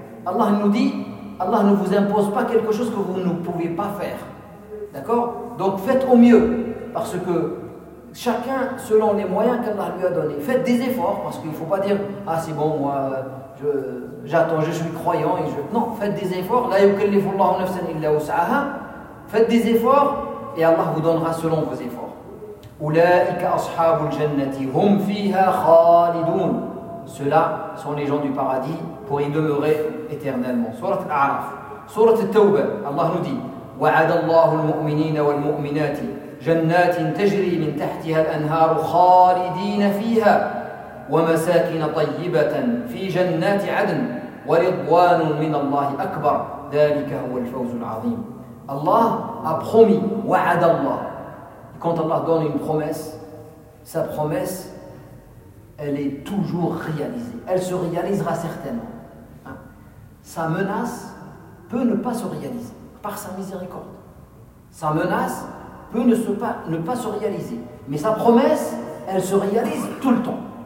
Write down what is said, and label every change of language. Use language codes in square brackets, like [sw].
[fr] Allah nous dit, Allah ne vous impose pas quelque chose que vous ne pouvez pas faire. D'accord? Donc faites au mieux. Parce que chacun selon les moyens qu'Allah lui a donné. Faites des efforts, parce qu'il ne faut pas dire ah c'est bon, moi j'attends, je suis croyant et je... Non, faites des efforts. [ar] لا يكلف الله نفسا إلا وسعها. [fr] Faites des efforts et Allah vous donnera selon vos efforts. [ar] أولئك أصحاب الجنة هم فيها خالدون. [fr] Ceux-là sont les gens du paradis pour y demeurer éternellement. [ar] سورة الأعراف. سورة التوبة. الله نودي. وعد الله المؤمنين والمؤمنات جنات تجري من تحتها الأنهار خالدين فيها ومساكن طيبة في جنات عدن ورضوان من الله أكبر ذلك هو الفوز العظيم. [fr] الله a promis, [ar] وعد الله. [fr] Quand Allah donne une promesse, sa promesse, elle est toujours réalisée. Elle se réalisera certainement. Sa menace peut ne pas se réaliser par sa miséricorde. Sa menace peut ne pas se réaliser. Mais sa promesse, elle se réalise tout le temps.